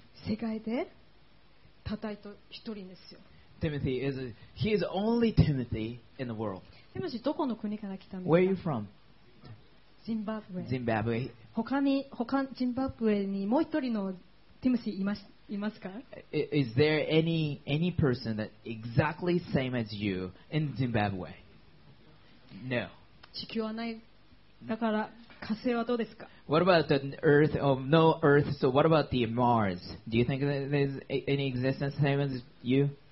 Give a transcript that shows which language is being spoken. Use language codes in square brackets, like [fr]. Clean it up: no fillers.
[ja] 世界でただ一人ですよ。 [en] Timothy is he is only Timothy in the world. [ja] Timothy, どこの国から来たんですか? [en] Where are you from? Zimbabwe. Zimbabwe. [ja] 他に Zimbabwe にもう一人のTimothyいます。いますか? [en] Is there any person that exactly same as you in Zimbabwe? No. [ja] 地球はない。だから火星はどうですか? [en] What about the Earth? Oh, no Earth. So what about the Mars? Do you think that there's any existence same as you?